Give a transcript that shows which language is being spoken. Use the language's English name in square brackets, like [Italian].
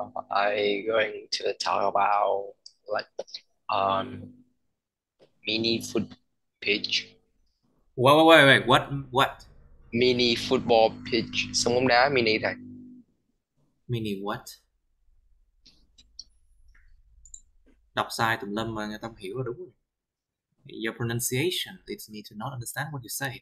[English] I going to talk about mini foot pitch. Wait. What? Mini football pitch. [Vietnamese] Sân bóng đá mini thôi. [English] Mini what? [Vietnamese] đọc sai tùm lum mà người ta không hiểu là đúng rồi. [English] Your pronunciation leads me to not understand what you say.